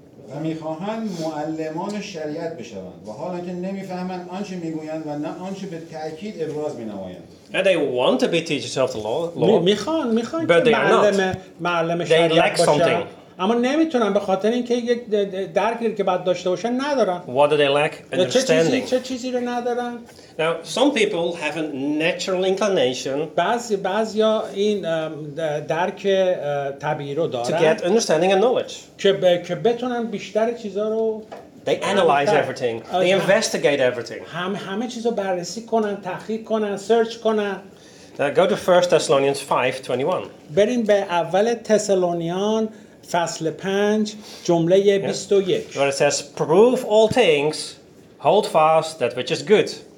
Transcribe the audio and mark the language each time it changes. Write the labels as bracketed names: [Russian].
[Persian] و میخواهند معلمان شریعت بشوند و حالا که نمیفهمند آنچه میگویند و نه آنچه به تاکید ابراز مینمایند [English] And they want to be teachers of the law [Persian] میخوان معلم شریعت باشن اما نمیتونن به خاطر اینکه یک درکی که بعد داشته باشن ندارن [English] What do they lack? Understanding. [Persian] چه چیزی رو ندارن؟ [English] Now, some people have a natural inclination [Persian] بعضی ها این درک طبیعی رو دارن [English] To get understanding and knowledge. [Persian] که بتونن بیشتر چیزا رو [English] They analyze everything. They investigate everything. [Persian] همه چیز رو بررسی کنن، تحقیق کنن، سرچ کنن [English] Now, go to 1 Thessalonians 5:21. [Persian] بریم به اول تسالونیان فصل 5 جمله 21 [English] where it says prove all things hold fast that which is good